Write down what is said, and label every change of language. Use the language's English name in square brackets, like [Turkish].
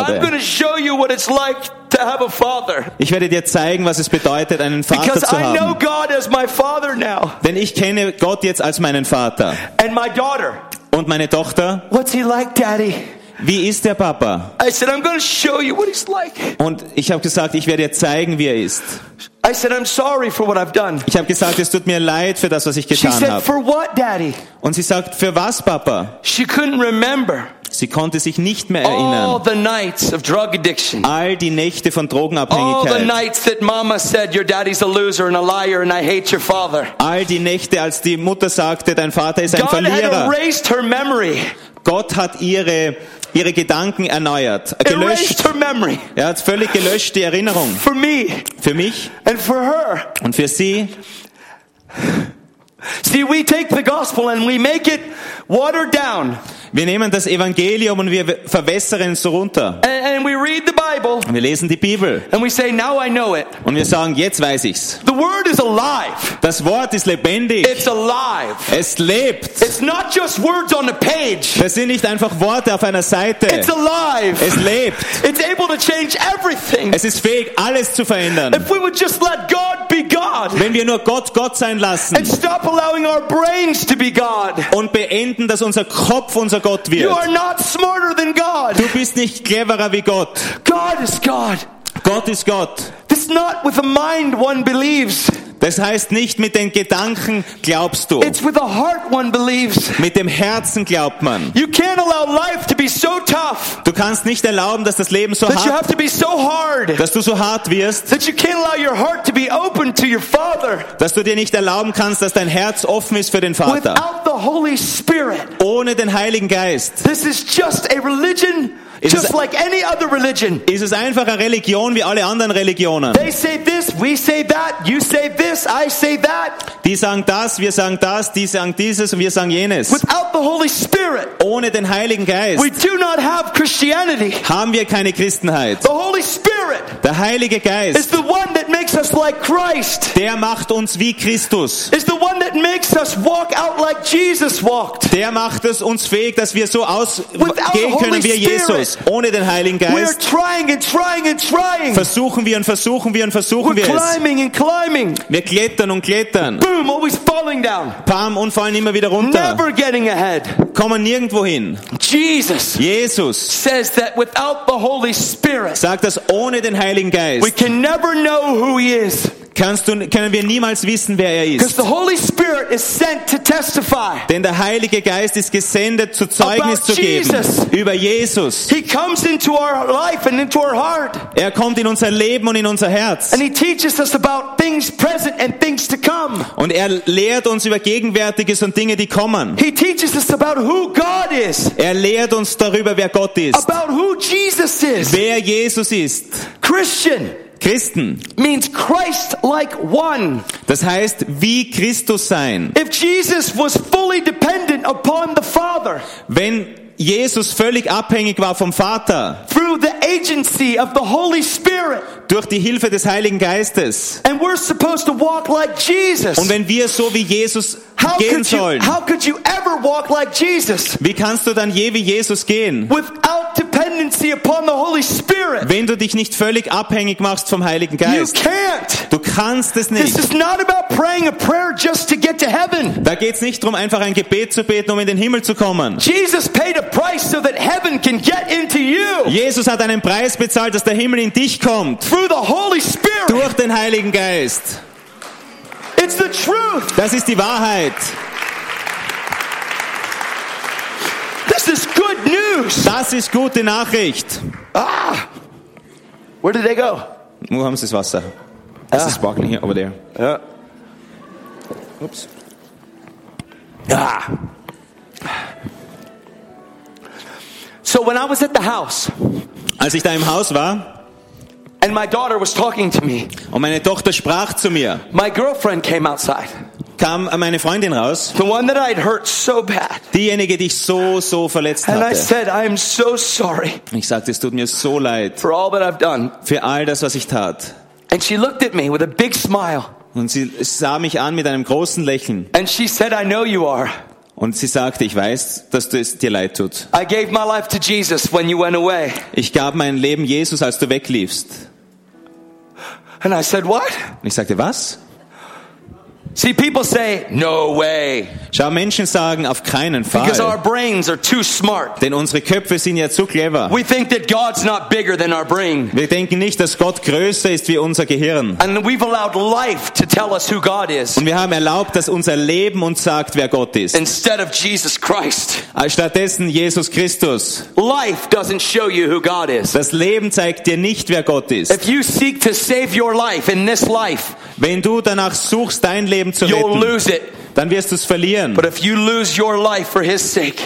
[English] I'm going to show you what it's like to have a father. [German] Ich werde dir zeigen, was es bedeutet, einen Vater [English] Because [German] zu haben. [English] I know God as my father now. [German] Denn ich kenne Gott jetzt als meinen Vater. [English] And my daughter. [German] Und meine Tochter. [English] What's he like, Daddy? [German] Wie ist der Papa? [English] I said, I'm going to show you what he's like. [German] Und ich habe gesagt, ich werde dir zeigen, wie er ist. [English] I said, I'm sorry for what I've done. [German] Ich habe gesagt, es tut mir leid für das, was ich getan habe. [English] She said, for what, Daddy? [German] Und sie sagt, für was, Papa? [English] She couldn't remember. [German] Sie konnte sich nicht mehr erinnern. [English] All the nights of drug addiction. [German] All die Nächte von Drogenabhängigkeit. [English] All the nights that Mama said your daddy's a loser and a liar and I hate your father. [German] All die Nächte, als die Mutter sagte, dein Vater ist ein Verlierer. [English] God had erased her memory. [German] Gott hat ihre Gedanken erneuert, gelöscht. Er hat völlig gelöscht die Erinnerung. [English] For me. [German] Für mich. [English] And for her. [German] Und für sie. [English] See, we take the gospel and we make it watered down. [German] Wir nehmen das Evangelium und wir verwässern es runter. [English] And we read the Bible. [German] Und wir lesen die Bibel. [English] And we say, now I know it. [German] Und wir sagen, jetzt weiß ich's. [English] The word is alive. [German] Das Wort ist lebendig. [English] It's alive. [German] Es lebt. [English] It's not just words on a page. [German] Das sind nicht einfach Worte auf einer Seite. [English] It's alive. [German] Es lebt. [English] It's able to change everything. [German] Es ist fähig, alles zu verändern. [English] If we would just let God be God. [German] Wenn wir nur Gott Gott sein lassen. [English] And stop allowing our brains to be God. [German] Und beenden, dass unser Kopf unser Gott wird. [English] You are not smarter than God. [German] Du bist nicht cleverer wie Gott. [English] God is God. [German] Gott ist Gott. [English] This is not with a mind one believes. [German] Das heißt nicht mit den Gedanken glaubst du. [English] It's with the heart one believes. [German] Mit dem Herzen glaubt man. [English] You can't allow life to be so tough. [German] Du kannst nicht erlauben, dass das Leben so [English] that [German] hart. [English] That you have to be so hard. [German] Dass du so hart wirst. [English] That you can't allow your heart to be open to your Father. [German] Dass du dir nicht erlauben kannst, dass dein Herz offen ist für den Vater. [English] Without the Holy Spirit. [German] Ohne den Heiligen Geist. [English] This is just a religion. Just like any other religion. [German] Ist es einfach eine Religion wie alle anderen Religionen? [English] They say this, we say that, you say this, I say that. [German] Die sagen das, wir sagen das, die sagen dieses und wir sagen jenes. [English] Without the Holy Spirit. [German] Ohne den Heiligen Geist. [English] We do not have Christianity. [German] Haben wir keine Christenheit. [English] The Holy Spirit. [German] Der Heilige Geist. [English] Is the one that makes us like Christ. [German] Der macht uns wie Christus. [English] Is the one that makes us walk out like Jesus walked. [German] Der macht es uns fähig, dass wir so ausgehen können wie Jesus. Ohne den Heiligen Geist. [English] We are trying and trying and trying. [German] Versuchen wir und versuchen wir und versuchen [English] We're [German] wir es. [English] Climbing and climbing. [German] Wir klettern und klettern. [English] Boom, always falling down. [German] Pam und fallen immer wieder runter. [English] Never getting ahead. [German] Kommen nirgendwo hin. [English] Jesus says that without the Holy Spirit, [German] sagt das ohne den Heiligen Geist. [English] We can never know who he is. [German] Können wir niemals wissen, wer er ist. [English] The Holy Spirit is sent to testify. [German] Denn der Heilige Geist ist gesendet, zu Zeugnis [English] About [German] zu geben. [English] Jesus. [German] Über Jesus. [English] He comes into our life and into our heart. [German] Er kommt in unser Leben und in unser Herz. [English] And he teaches us about things present and things to come. [German] Und er lehrt uns über Gegenwärtiges und Dinge, die kommen. [English] He teaches us about who God is. [German] Er lehrt uns darüber, wer Gott ist. [English] About who Jesus is. [German] Wer Jesus ist. [English] Christian. [German] Christen. [English] Means Christ like one. [German] Das heißt, wie Christus sein. [English] If Jesus was fully dependent upon the Father. [German] Wenn Jesus völlig abhängig war vom Vater. [English] Through the agency of the Holy Spirit. [German] Durch die Hilfe des Heiligen Geistes. [English] And we're supposed to walk like Jesus. [German] Und wenn wir so wie Jesus gehen sollen. [English] How could you ever walk like Jesus? [German] Wie kannst du dann je wie Jesus gehen? [English] Without dependency upon the Holy Spirit. [German] Wenn du dich nicht völlig abhängig machst vom Heiligen Geist. [English] You can't. [German] Du kannst es nicht. [English] This is not about praying a prayer just to get to heaven. [German] Da geht's nicht drum, einfach ein Gebet zu beten, um in den Himmel zu kommen. [English] Jesus paid a price so that heaven can get into you. [German] Jesus hat einen Preis bezahlt, dass der Himmel in dich kommt. [English] Through the Holy Spirit. [German] Durch den Heiligen Geist. [English] It's the truth. [German] Das ist die Wahrheit. [English] This is good news. [German] Das ist gute Nachricht. [English] Ah, where did they go? [German] Wo haben sie das Wasser? Es ist sparkling hier, [English] over there. [German] Ja. Ups. Ah. [English] So when I was at the house, [German] als ich da im Haus war, [English] and my daughter was talking to me, [German] und meine Tochter sprach zu mir, [English] my girlfriend came outside. [German] Kam meine Freundin raus. [English] The one that I'd hurt so bad. [German] Diejenige, die ich so verletzt hatte. [English] And I said, I am so sorry. [German] Ich sagte, es tut mir so leid. [English] For all that I've done. [German] Für all das, was ich tat. [English] And she looked at me with a big smile. [German] Und sie sah mich an mit einem großen Lächeln. [English] And she said, I know you are. [German] Und sie sagte, ich weiß, dass du es dir leid tut. [English] I gave my life to Jesus when you went away. [German] Ich gab mein Leben Jesus, als du wegliefst. [English] And I said, what? [German] Und ich sagte, was? [English] See, people say, no way. [German] Schau, Menschen sagen, auf keinen Fall. [English] Because our brains are too smart. [German] Denn unsere Köpfe sind ja zu clever. [English] We think that God's not bigger than our brain. [German] Wir denken nicht, dass Gott größer ist wie unser Gehirn. [English] And we've allowed life to tell us who God is. [German] Und wir haben erlaubt, dass unser Leben uns sagt, wer Gott ist. [English] Instead of Jesus Christ. [German] Stattdessen Jesus Christus. [English] Life doesn't show you who God is. [German] Das Leben zeigt dir nicht, wer Gott ist. [English] If you seek to save your life in this life, [German] wenn du danach suchst, dein Leben zu retten, [English] you'll lose it. [German] Dann wirst du es verlieren. [English] But if you lose your life for his sake,